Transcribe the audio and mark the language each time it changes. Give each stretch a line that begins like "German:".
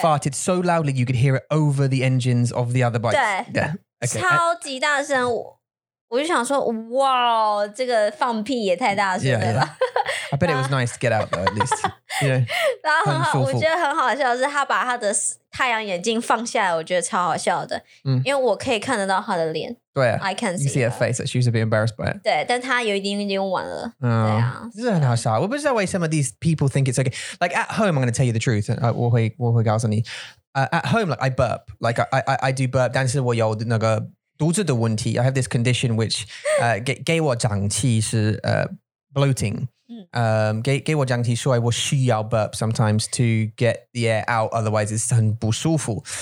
English: Farted so loudly you could hear it over the engines of the other bikes.
Chinese: 对。超级大声。我就想说，哇，这个放屁也太大声了吧！
English: Yeah, yeah. I bet it was nice to get out though, at least. Yeah.
Chinese: 然后很好，我觉得很好笑的是，他把他的太阳眼镜放下来，我觉得超好笑的，因为我可以看得到他的脸。对啊。
English: I can see, you see her face. She was a bit embarrassed by it.
Chinese: 对，但他有一点点晚了。嗯，这是很好笑。我不知道为什么
English: these people think it's okay. Like at home, I'm going to tell you the truth.
Chinese: 我会告诉你。
English: At home, like I burp. Like I do burp.
Chinese: 但是我有那个。肚子的问题,
English: I have this condition which
Chinese: 给我胀气是 bloating. 给我胀气说我需要
English: burp sometimes to get the air out, otherwise it's
Chinese: 很不舒服.